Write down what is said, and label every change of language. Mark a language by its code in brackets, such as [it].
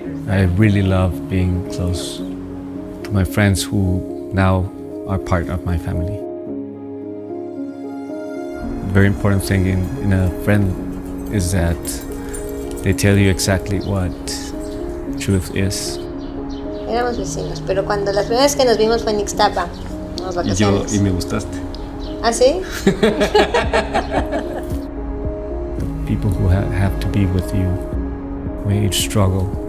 [en] I really love being close to my friends who now are part of my family. The very important thing in a friend is that they tell you exactly what truth is. [es] Éramos vecinos, pero cuando la primera vez que nos vimos fue en Ixtapa, en las vacaciones. Y me gustaste. ¿Ah, sí? [en] The people who have to be with you when you struggle.